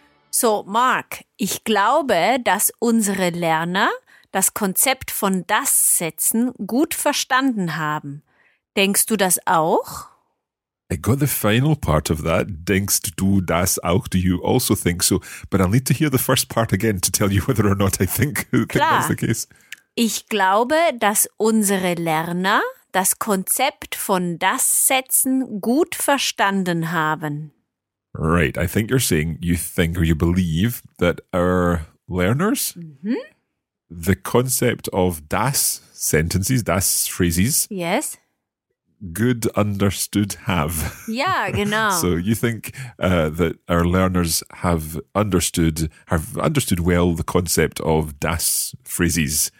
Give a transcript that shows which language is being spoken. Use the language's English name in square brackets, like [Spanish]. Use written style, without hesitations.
[German] So, Marc, ich glaube, dass unsere Lerner das Konzept von Das-Sätzen gut verstanden haben. Denkst du das auch? [English] I got the final part of that. [German] Denkst du das auch? [English] Do you also think so? But I'll need to hear the first part again to tell you whether or not I think that's the case. [German] Ich glaube, dass unsere Lerner das Konzept von Das-Sätzen gut verstanden haben. [English] Right, I think you're saying you think or you believe that our learners, the concept of das sentences, das phrases, yes, good understood have. [German] Yeah, genau. [English] So you think that our learners have understood well the concept of das phrases.